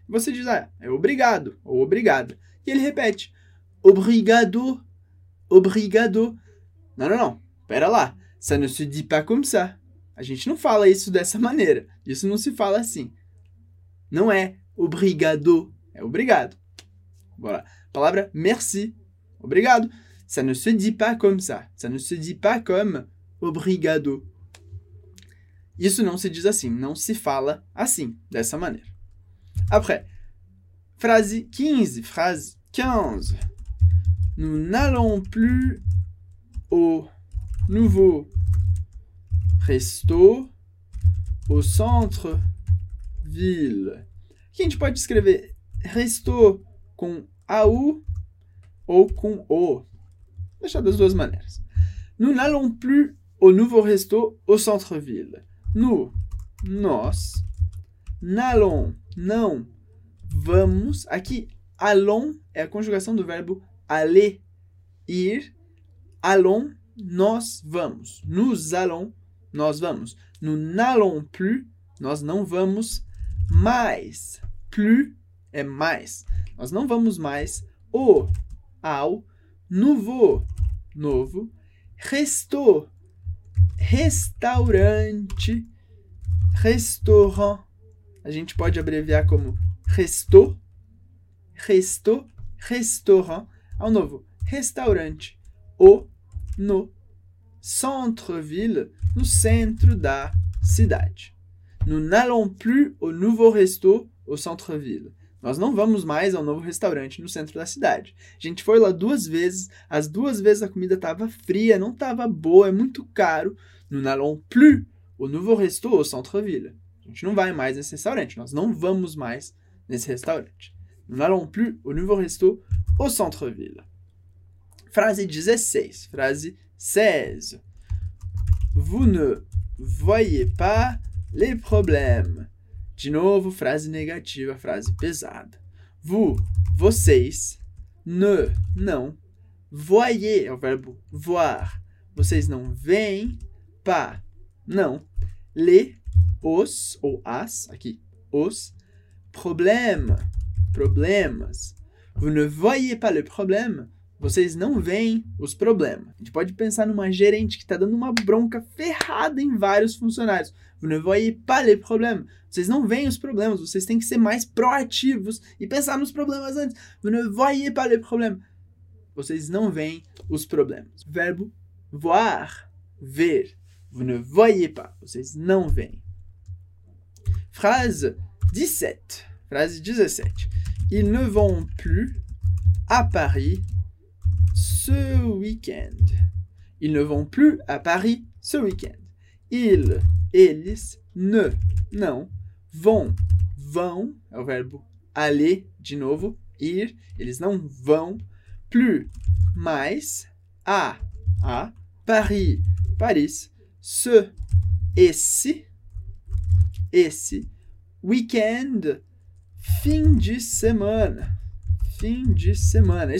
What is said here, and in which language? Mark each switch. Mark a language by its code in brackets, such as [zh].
[pt] Você diz, ah, é obrigado ou obrigada. E ele repete, obrigado, obrigado. Não, não, não. Pera lá. [fr] Ça ne se dit pas comme ça. [pt] A gente não fala isso dessa maneira. Isso não se fala assim. Não é obrigado, é obrigado. Bora. Palavra [fr] merci, obrigado. Ça ne se dit pas comme ça. Ça ne se dit pas comme obrigado. [pt] Isso não se diz assim, não se fala assim, dessa maneira. Après, frase 15, frase 15. [fr] Nous n'allons plus au nouveau resto au centre-ville. [pt] Aqui a gente pode escrever restou com AU ou com O. Deixar das duas maneiras. [fr] Nous n'allons plus au nouveau resto au centre-ville. [pt] Nós, n'allons, não, vamos. Aqui, allons é a conjugação do verbo aller, ir. Allons, nós vamos. [fr] Nous allons, [pt] nós vamos. [fr] Nous n'allons plus, [pt] nós não vamos mais. Plus é mais. Nós não vamos mais ao nouveau novo. Resto, restaurante, restaurant. A gente pode abreviar como resto, resto, restaurant. Ao novo, restaurante, o, no, centre-ville, no centro da cidade. [fr] Nous n'allons plus au nouveau resto au centre-ville. [pt] Nós não vamos mais ao novo restaurante no centro da cidade. A gente foi lá duas vezes. As duas vezes a comida estava fria, não estava boa, é muito caro. [fr] Nous n'allons plus au nouveau resto au centre-ville. [pt] A gente não vai mais nesse restaurante. Nós não vamos mais nesse restaurante. [fr] Nous n'allons plus au nouveau resto au centre-ville. [pt] Frase 16. Frase 16. [fr] Vous ne voyez pas les problèmes. [pt] De novo, frase negativa, frase pesada. Vous, vocês, ne, não, voyez, é o verbo voir, vocês não veem, pas, não, les, os, ou as, aqui, os, problème, problemas. [fr] Vous ne voyez pas le problème, [pt] vocês não veem os problemas. A gente pode pensar numa gerente que está dando uma bronca ferrada em vários funcionários. [fr] Vous ne voyez pas les problèmes. [pt] Vocês não veem os problemas. Vocês têm que ser mais proativos e pensar nos problemas antes. [fr] Vous ne voyez pas les problèmes. [pt] Vocês não veem os problemas. Verbo voir, ver. [fr] Vous ne voyez pas. [pt] Vocês não veem. Frase 17. Frase 17. [fr] Ils ne vont plus à Paris ce week-end. Ils ne vont plus à Paris ce week-end. Ils... [pt] Eles, ne, não, vão, vão, é o verbo aller, de novo, ir, eles não vão, plus, mais, a, Paris, Paris, ce, esse, esse, weekend, fim de semana, fim de semana.